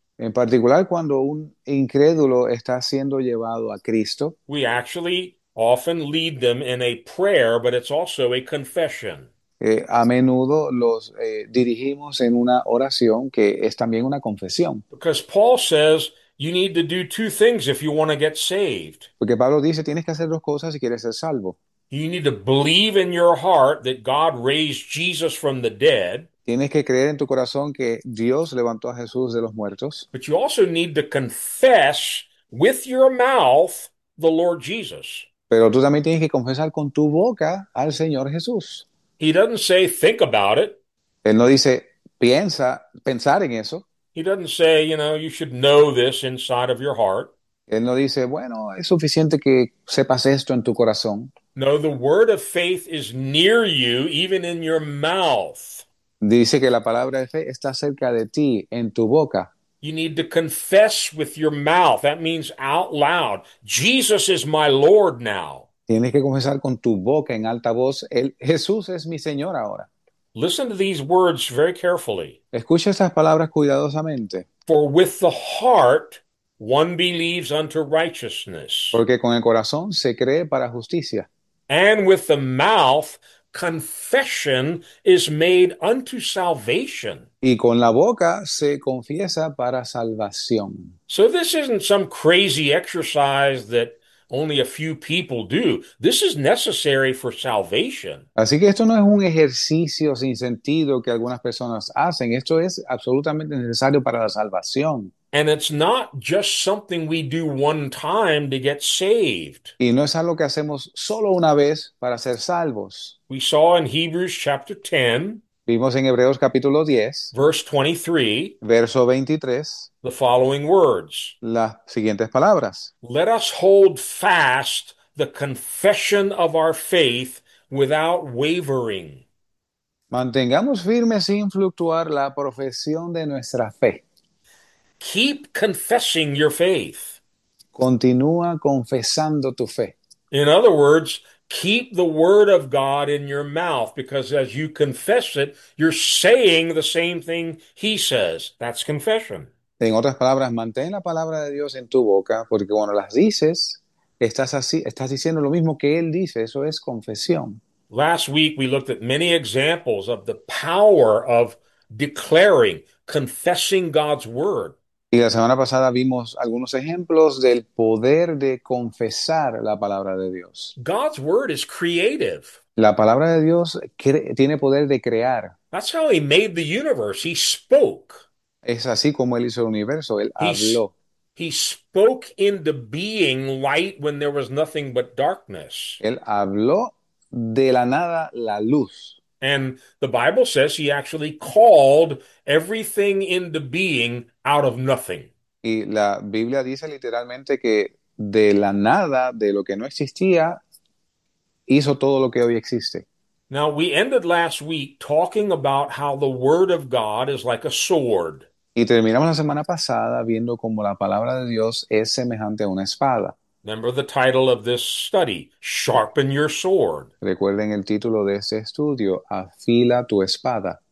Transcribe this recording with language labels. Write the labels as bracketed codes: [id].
[es] En particular, cuando un incrédulo está siendo llevado a Cristo. [en] we actually often lead them in a prayer, but it's also a confession. [es] A menudo los dirigimos en una oración que es también una confesión. [en] Because Paul says you need to do two things if you want to get saved. [es] Porque Pablo dice, tienes que hacer dos cosas si quieres ser salvo. [en] You need to believe in your heart that God raised Jesus from the dead. [es] Tienes que creer en tu corazón que Dios levantó a Jesús de los muertos. [en] But you also need to confess with your mouth the Lord Jesus. [es] Pero tú también tienes que confesar con tu boca al Señor Jesús. [en] He doesn't say, think about it. [es] Él no dice, piensa, pensar en eso. [en] He doesn't say, you should know this inside of your heart. [es] Él no dice, bueno, es suficiente que sepas esto en tu corazón. [en] No, the word of faith is near you, even in your mouth. [es] Dice que la palabra de fe está cerca de ti, en tu boca. [en] You need to confess with your mouth. That means out loud. Jesus is my Lord now. [es] Tienes que confesar con tu boca en alta voz, el Jesús es mi Señor ahora. [en] Listen to these words very carefully. [es] Escucha esas palabras cuidadosamente. [en] For with the heart one believes unto righteousness. [es] Porque con el corazón se cree para justicia. [en] And with the mouth, confession is made unto salvation. [es] Y con la boca se confiesa para salvación. [en] So this isn't some crazy exercise that only a few people do. This is necessary for salvation. [es] Así que esto no es un ejercicio sin sentido que algunas personas hacen. Esto es absolutamente necesario para la salvación. [en] And it's not just something we do one time to get saved. [es] Y no es algo que hacemos solo una vez para ser salvos. [en] We saw in Hebrews chapter 10, [es] Vimos en Hebreos capítulo 10, [en] verse 23, [es] verso 23, [en] the following words. [es] las siguientes palabras. [en] Let us hold fast the confession of our faith without wavering. [es] Mantengamos firme sin fluctuar la profesión de nuestra fe. [en] Keep confessing your faith. [es] Continúa confesando tu fe. [en] In other words, keep the word of God in your mouth, because as you confess it, you're saying the same thing he says. That's confession. [es] En otras palabras, mantén la palabra de Dios en tu boca, porque cuando las dices, estás así, estás diciendo lo mismo que Él dice. Eso es confesión. [en] Last week we looked at many examples of the power of declaring, confessing God's word. [es] Y la semana pasada vimos algunos ejemplos del poder de confesar la palabra de Dios. [en] God's word is creative. [es] La palabra de Dios tiene poder de crear. [en] That's how he made the universe. He spoke. [es] Es así como él hizo el universo, él [en] He's, [es] habló. [en] he spoke into being light when there was nothing but darkness. [es] Él habló de la nada la luz. [en] And the Bible says he actually called everything into being out of nothing. [es] Y la Biblia dice literalmente que de la nada, de lo que no existía, hizo todo lo que hoy existe. [en] Now, we ended last week talking about how the Word of God is like a sword. [es] Y terminamos la semana pasada viendo cómo la palabra de Dios es semejante a una espada. [en] Remember the title of this study, Sharpen Your Sword. [es] Recuerden el título de este estudio, Afila tu espada.